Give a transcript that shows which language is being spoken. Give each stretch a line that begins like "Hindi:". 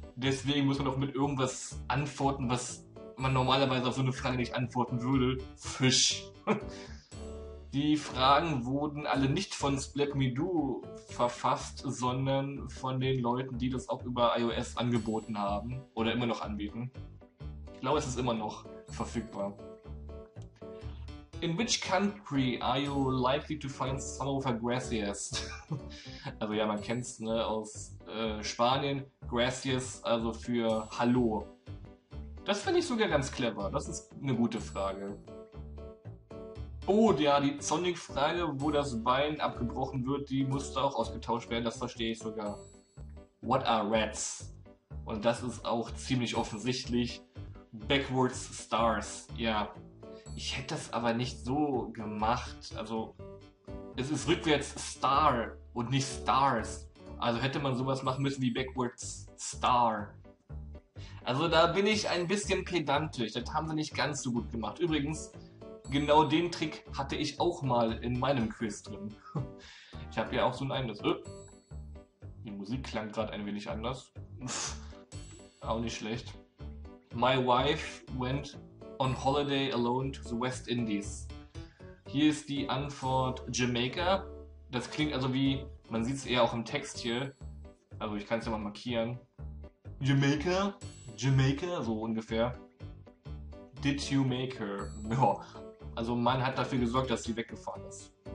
German: Deswegen muss man auch mit irgendwas antworten, was man normalerweise auf so eine Frage nicht antworten würde. Fisch. Die Fragen wurden alle nicht von Splatmedo verfasst, sondern von den Leuten, die das auch über iOS angeboten haben oder immer noch anbieten. Ich glaube, es ist immer noch verfügbar.
English: In which country are you likely to find some of a Gracias?
German: Also ja, man kennt es, ne, aus Spanien. Gracias, also für Hallo. Das finde ich sogar ganz clever. Das ist eine gute Frage. Oh ja, die Sonic-Frage, wo das Bein abgebrochen wird, die musste auch ausgetauscht werden. Das verstehe ich sogar.
English: What are rats?
German: Und das ist auch ziemlich offensichtlich. Backwards Stars, ja. Ich hätte das aber nicht so gemacht. Also, es ist rückwärts Star und nicht Stars. Also hätte man sowas machen müssen wie Backwards Star. Also da bin ich ein bisschen pedantisch. Das haben sie nicht ganz so gut gemacht. Übrigens, genau den Trick hatte ich auch mal in meinem Quiz drin. Ich habe ja auch so ein eigenes. Die Musik klang gerade ein wenig anders. Auch nicht schlecht.
English: My wife went on holiday alone to the West Indies.
German: Hier ist die Antwort Jamaica. Das klingt also wie, man sieht es eher auch im Text hier. Also ich kann es ja mal markieren. Jamaica? Jamaica? So ungefähr.
English: Did you make her? Ja.
German: Also man hat dafür gesorgt, dass sie weggefahren ist.